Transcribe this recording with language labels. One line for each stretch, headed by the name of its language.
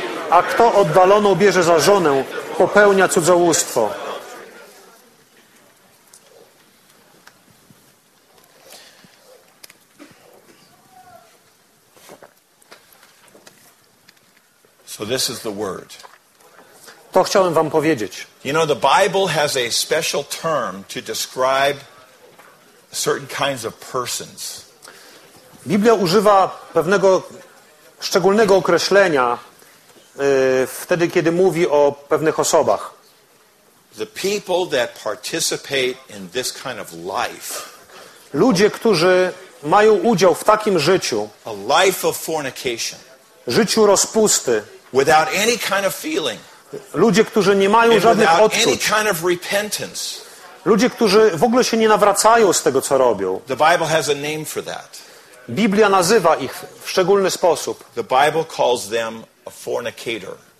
Polish: A kto oddaloną bierze za żonę, popełnia cudzołóstwo.
English: So this is the word.
Polish: To chciałem wam powiedzieć.
English: You know, the Bible has a special term to describe certain kinds of persons.
Polish: Biblia używa pewnego szczególnego określenia wtedy, kiedy mówi o pewnych osobach.
English: The people that participate in this kind of life.
Polish: Ludzie, którzy mają udział w takim życiu.
English: A life of fornication.
Polish: Życiu rozpusty.
English: Without any kind of feeling.
Polish: Ludzie, którzy nie mają żadnych
English: without
Polish: odczuć.
English: Any kind of repentance.
Polish: Ludzie, którzy w ogóle się nie nawracają z tego, co robią.
English: The Bible has a name for that.
Polish: Biblia nazywa ich w szczególny sposób.
English: The Bible calls them a fornicator.